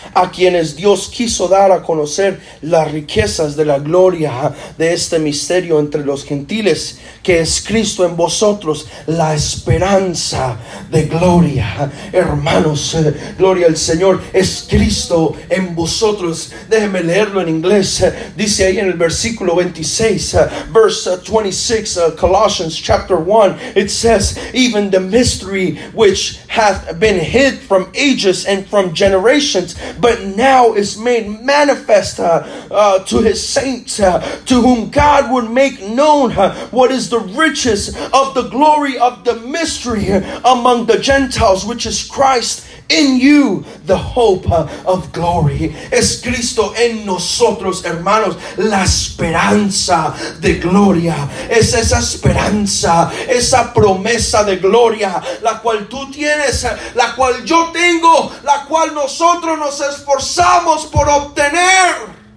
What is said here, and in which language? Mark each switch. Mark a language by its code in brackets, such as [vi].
[es] a quienes Dios quiso dar a conocer las riquezas de la gloria de este misterio entre los gentiles, que es Cristo en vosotros, la esperanza de gloria. Hermanos, gloria al Señor, es Cristo en vosotros. Déjenme leerlo en inglés. [en] Dice ahí en el versículo 26, verse 26, Colossians chapter 1, it says, even the mystery which hath been hid from ages and from generations, but now is made manifest to his saints, to whom God would make known what is the riches of the glory of the mystery among the Gentiles, which is Christ in you, the hope of glory. [es] Es Cristo en nosotros, hermanos, la esperanza de gloria. Es esa esperanza, esa promesa de gloria, la cual tú tienes, la cual yo tengo, la cual nosotros nos esforzamos por obtener.